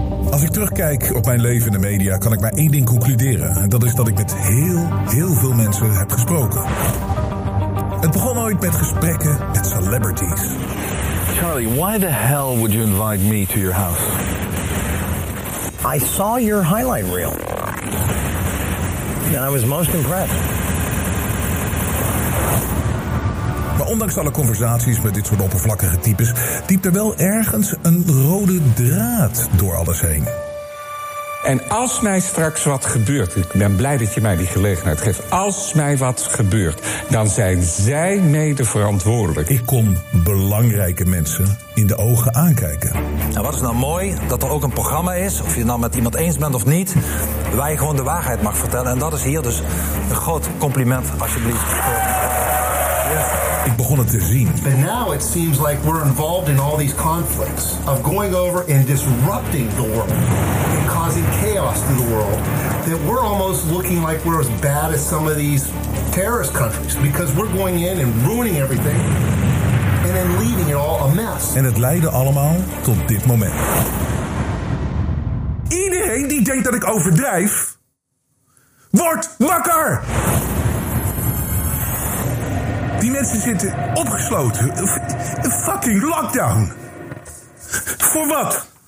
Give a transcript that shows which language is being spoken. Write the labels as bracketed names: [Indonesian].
[Dutch] Als ik terugkijk op mijn leven in de media, kan ik maar één ding concluderen. En dat is dat ik met heel veel mensen heb gesproken. Het begon ooit met gesprekken met celebrities. [English] Charlie, why the hell would you invite me to your house? I saw your highlight reel. And I was most impressed. [Dutch] Maar ondanks alle conversaties met dit soort oppervlakkige types, diept er wel ergens een rode draad door alles heen. En als mij straks wat gebeurt, ik ben blij dat je mij die gelegenheid geeft, als mij wat gebeurt, dan zijn zij mede verantwoordelijk. Ik kon belangrijke mensen in de ogen aankijken. En wat is nou mooi, dat er ook een programma is, of je het nou met iemand eens bent of niet, waar je gewoon de waarheid mag vertellen. En dat is hier dus een groot compliment, alsjeblieft. Ik begon het te zien. [English] And now it seems like we're involved in all these conflicts of going over and disrupting the world and causing chaos through the world. That we're almost looking like we're as bad as some of these terrorist countries because we're going in and ruining everything and then leaving it all a mess. [Dutch] En het leidde allemaal tot dit moment. Iedereen die denkt dat ik overdrijf, wordt wakker! Die mensen zitten opgesloten. Een fucking lockdown. Voor wat?